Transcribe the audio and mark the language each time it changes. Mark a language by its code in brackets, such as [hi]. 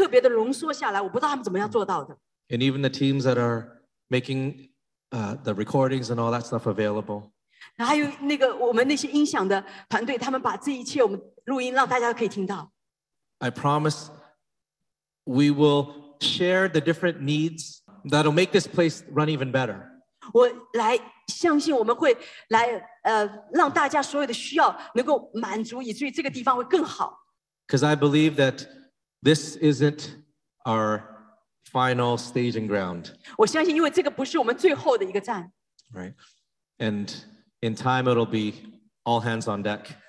[zh] 有一部分的感恩就是特别的感谢我们周报的这些，他们能够把我们的这个讲道能够特别的浓缩下来，我不知道他们怎么样做到的。 [en] And even the teams that are making the recordings and all that stuff available. [zh] 还有那个我们那些音响的团队，他们把这一切我们录音让大家可以听到。 [en] I promise we will share the different needs that'll make this place run even better. [zh] 我来相信我们会来让大家所有的需要能够满足，以至于这个地方会更好。 [en] Because I believe that this isn't our final staging ground. [zh] 我相信因为这个不是我们最后的一个站。 [en] Right. And in time, it'll be all hands on deck.